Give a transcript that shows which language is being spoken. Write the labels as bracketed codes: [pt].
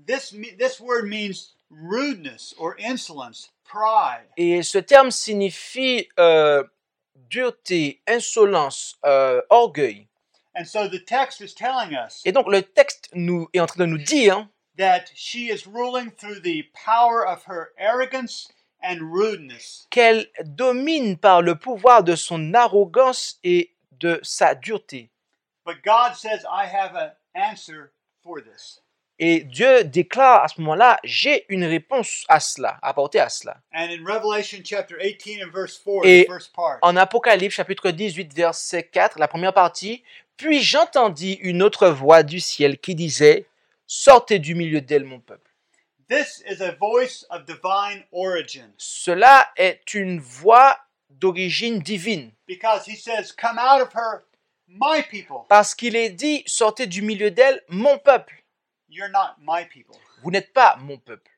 [en] This word means rudeness or insolence. Pride. [fr] Et ce terme signifie dureté, insolence, orgueil. [en] And so the text is telling us. [fr] Et donc le texte nous est en train de nous dire [en] that she is ruling through the power of her arrogance and rudeness. [fr] Qu'elle domine par le pouvoir de son arrogance et de sa dureté. [en] But God says I have an answer for this. [fr] Et Dieu déclare à ce moment-là, j'ai une réponse à cela, apportée à cela. [en] And in Revelation chapter 18 and verse 4, [fr] et [en] the first part. [fr] En Apocalypse chapitre 18 verset 4, la première partie, puis j'entendis une autre voix du ciel qui disait, sortez du milieu d'elle, mon peuple. [en] This is a voice of divine origin. [fr] Cela est une voix d'origine divine. [en] Because he says, come out of her, my people. [fr] Parce qu'il est dit, sortez du milieu d'elle, mon peuple. [en] You're not my people. [fr] Vous n'êtes pas mon peuple.